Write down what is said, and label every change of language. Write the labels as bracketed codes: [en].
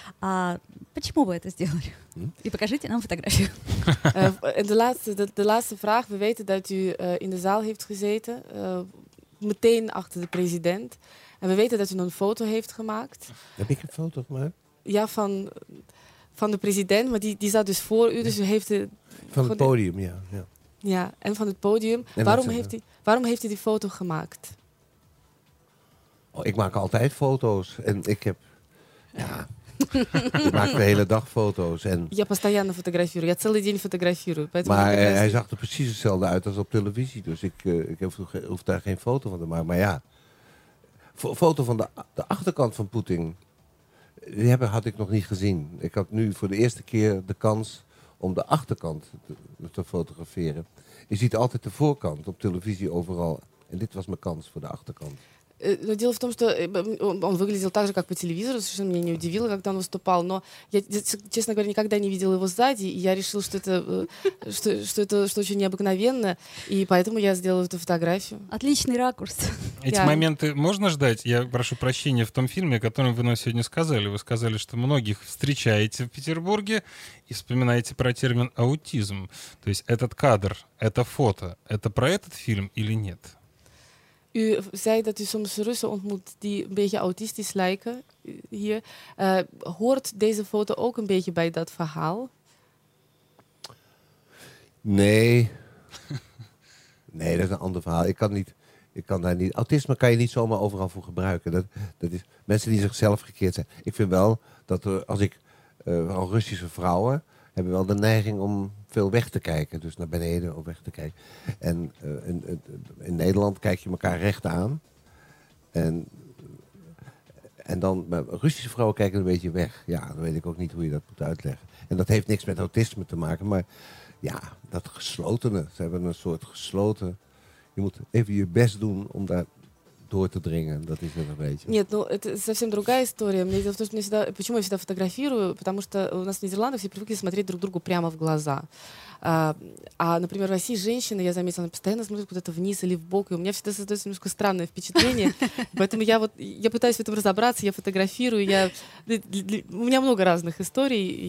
[ru] А почему вы это сделали? И покажите нам фотографию. [en] The last [nl] vraag. We weten dat u in de zaal heeft gezeten, meteen achter de president. En we weten dat u een foto heeft gemaakt. Heb ik een foto gemaakt? Ja, van de president, maar die zat dus voor u. Dus u heeft de, van het podium, de, ja, ja. Ja, en van het podium. Waarom heeft u die foto gemaakt? Oh, ik maak altijd foto's. En ik heb, ja, ik maak de hele dag foto's. En ja, [ru] постоянно фотографирую. Я целый день фотографирую. [nl] Maar hij zag er precies hetzelfde uit als op televisie. Dus ik hoef daar geen foto van te maken. Maar ja. Foto van de achterkant van Poetin, die had ik nog niet gezien. Ik had nu voor de eerste keer de kans om de achterkant te fotograferen. Je ziet altijd de voorkant op televisie overal. En dit was mijn kans voor de achterkant. [ru] Но дело в том, что он выглядел так же, как по телевизору, совершенно меня не удивило, когда он выступал, но я, честно говоря, никогда не видела его сзади, и я решила, что это очень необыкновенно, и поэтому я сделала эту фотографию. Отличный ракурс. Эти моменты можно ждать? Я прошу прощения, в том фильме, о котором вы нам сегодня сказали, вы сказали, что многих встречаете в Петербурге и вспоминаете про термин аутизм. То есть этот кадр, это фото, это про этот фильм или нет? [nl] U zei dat u soms Russen ontmoet die een beetje autistisch lijken hier. Hoort deze foto ook een beetje bij dat verhaal? Nee. Nee, dat is een ander verhaal. Ik kan niet, ik kan daar niet. Autisme kan je niet zomaar overal voor gebruiken. Dat is mensen die zichzelf gekeerd zijn. Ik vind wel dat er, als ik al Russische vrouwen hebben wel de neiging om veel weg te kijken, dus naar beneden of weg te kijken. En in Nederland kijk je elkaar recht aan. En dan, Russische vrouwen kijken een beetje weg. Ja, dan weet ik ook niet hoe je dat moet uitleggen. En dat heeft niks met autisme te maken, maar ja, dat geslotene. Ze hebben een soort gesloten. Je moet even je best doen om daar door te dringen. Dat is het een beetje. [ru] Нет, ну это совсем другая история. Мне дело в том, что всегда, почему я всегда фотографирую, потому что у нас в Нидерландах все привыкли смотреть друг другу прямо в глаза. А, например, в России женщины, я заметила, она постоянно смотрит куда-то вниз или в бок, и у меня всегда создается немножко странное впечатление. Поэтому я вот я пытаюсь в этом разобраться, я фотографирую. У меня много разных историй.